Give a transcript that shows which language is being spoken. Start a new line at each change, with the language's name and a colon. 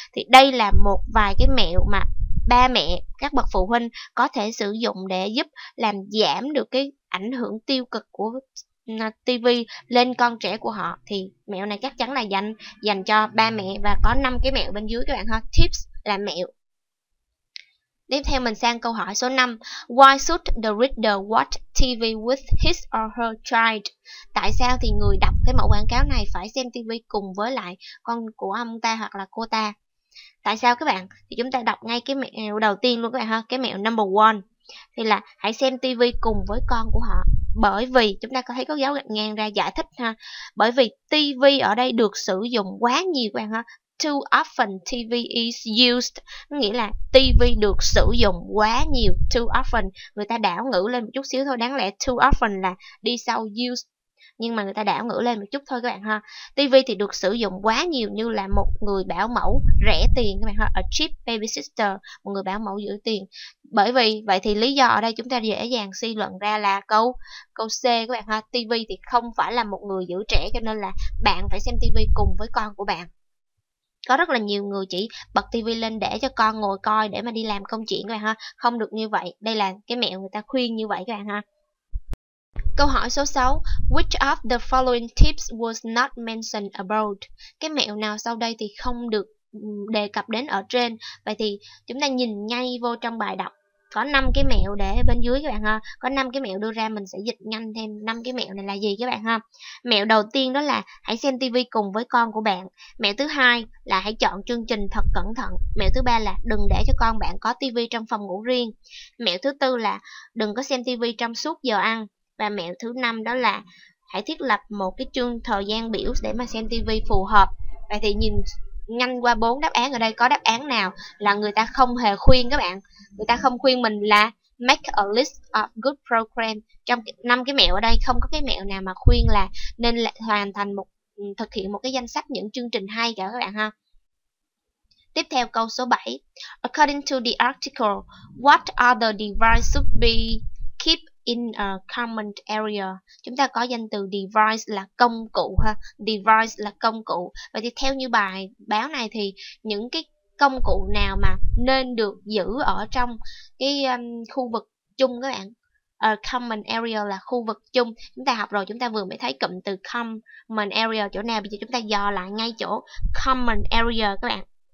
Vietnamese: Thì đây là một vài cái mẹo mà ba mẹ, các bậc phụ huynh có thể sử dụng để giúp làm giảm được cái ảnh hưởng tiêu cực của TV lên con trẻ của họ. Thì mẹo này chắc chắn là dành cho ba mẹ, và có 5 cái mẹo bên dưới các bạn ha. Tips là mẹo. Tiếp theo mình sang câu hỏi số 5.
English: Why should the reader watch TV with his or her child?
Vietnamese: Tại sao thì người đọc cái mẫu quảng cáo này phải xem TV cùng với lại con của ông ta hoặc là cô ta? Tại sao các bạn? Thì chúng ta đọc ngay cái mẹo đầu tiên luôn các bạn ha. Cái mẹo number 1 thì là hãy xem TV cùng với con của họ. Bởi vì chúng ta có thấy có dấu gạch ngang ra giải thích ha. Bởi vì TV ở đây được sử dụng quá nhiều các bạn ha.
English: Too often TV is used.
Vietnamese: Nghĩa là TV được sử dụng quá nhiều. Too often. Người ta đảo ngữ lên một chút xíu thôi. Đáng lẽ too often là đi sau used, nhưng mà người ta đảo ngữ lên một chút thôi các bạn ha. TV thì được sử dụng quá nhiều như là một người bảo mẫu rẻ tiền các bạn ha.
English: A cheap babysitter.
Vietnamese: Một người bảo mẫu giữ tiền. Bởi vì vậy thì lý do ở đây chúng ta dễ dàng suy luận ra là câu C các bạn ha. TV thì không phải là một người giữ trẻ, cho nên là bạn phải xem TV cùng với con của bạn. Có rất là nhiều người chỉ bật TV lên để cho con ngồi coi để mà đi làm công chuyện các bạn ha. Không được như vậy. Đây là cái mẹo người ta khuyên như vậy các bạn ha. Câu hỏi số 6,
English: which of the following tips was not mentioned above?
Vietnamese: Cái mẹo nào sau đây thì không được đề cập đến ở trên? Vậy thì chúng ta nhìn ngay vô trong bài đọc. Có 5 cái mẹo để bên dưới các bạn ha. Có 5 cái mẹo đưa ra, mình sẽ dịch nhanh thêm 5 cái mẹo này là gì các bạn ha. Mẹo đầu tiên đó là hãy xem TV cùng với con của bạn. Mẹo thứ hai là hãy chọn chương trình thật cẩn thận. Mẹo thứ ba là đừng để cho con bạn có TV trong phòng ngủ riêng. Mẹo thứ tư là đừng có xem TV trong suốt giờ ăn. Và mẹo thứ năm đó là hãy thiết lập một cái chương thời gian biểu để mà xem TV phù hợp. Vậy thì nhìn nhanh qua 4 đáp án ở đây, có đáp án nào là người ta không hề khuyên các bạn? Người ta không khuyên mình là
English: make a list of good program.
Vietnamese: Trong 5 cái mẹo ở đây không có cái mẹo nào mà khuyên là nên hoàn thành một thực hiện một cái danh sách những chương trình hay cả các bạn ha. Tiếp theo câu số 7.
English: According to the article, what other device should be keep in a common area.
Vietnamese: Chúng ta có danh từ device là công cụ ha, device là công cụ. Vậy thì theo như bài báo này thì những cái công cụ nào mà nên được giữ ở trong cái khu vực chung các bạn? A common area là khu vực chung. Chúng ta học rồi, chúng ta vừa mới thấy cụm từ common area chỗ nào. Bây giờ chúng ta dò lại ngay chỗ common area các bạn.